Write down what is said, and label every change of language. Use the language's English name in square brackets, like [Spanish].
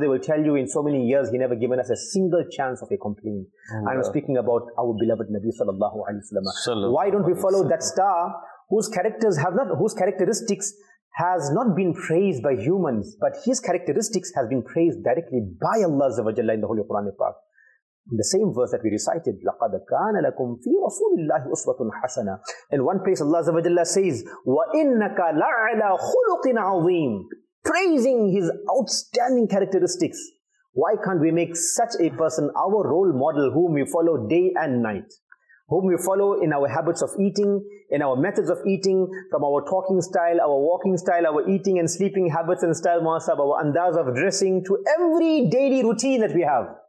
[English] They will tell you in so many years, he never given us a single chance of a complaint. I'm speaking about our beloved Nabi sallallahu alayhi wa sallam. Why don't we follow that star whose characters have not, whose characteristics has not been praised by humans, but his characteristics has been praised directly by Allah azza wa jalla in the Holy Quran Park. In the same verse that we recited, [Arabic] لَقَدْ كَانَ لَكُمْ فِي رَسُولِ اللَّهِ أُسْوَةٌ حَسَنًا. [English] In one place, Allah Azza wa Jalla says, [Arabic] وَإِنَّكَ لَعْلَى خُلُقٍ عَظِيمٍ. [English] Praising his outstanding characteristics. Why can't we make such a person our role model whom we follow day and night? Whom we follow in our habits of eating, in our methods of eating, from our talking style, our walking style, our eating and sleeping habits and style, Mu'asab, our andaz of dressing, to every daily routine that we have.